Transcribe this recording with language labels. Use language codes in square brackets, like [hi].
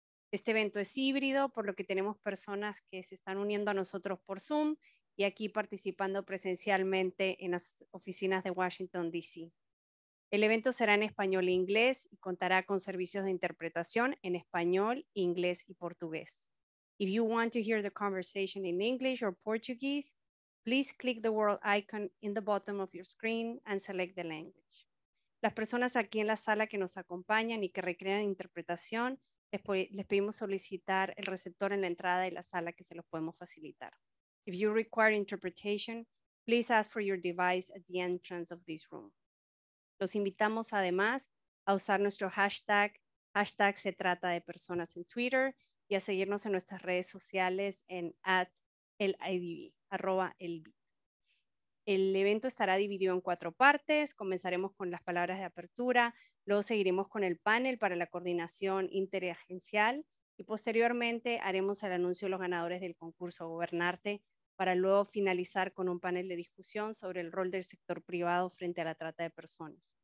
[es] Este evento es híbrido, por lo que tenemos personas que se están uniendo a nosotros por Zoom y aquí participando presencialmente en las oficinas de Washington, D.C. El evento será en español e inglés y contará con servicios de interpretación en español, inglés y portugués. [en] If you want to hear the conversation in English or Portuguese, please click the world icon in the bottom of your screen and select the language. [es] Las personas aquí en la sala que nos acompañan y que recrean interpretación, les pedimos solicitar el receptor en la entrada de la sala que se los podemos facilitar. [en] If you require interpretation, please ask for your device at the entrance of this room. [es] Los invitamos además a usar nuestro hashtag, hashtag se trata de personas en Twitter, y a seguirnos en nuestras redes sociales en @elidb. El evento estará dividido en cuatro partes. Comenzaremos con las palabras de apertura, luego seguiremos con el panel para la coordinación interagencial y posteriormente haremos el anuncio de los ganadores del concurso Gobernarte para luego finalizar con un panel de discusión sobre el rol del sector privado frente a la trata de personas.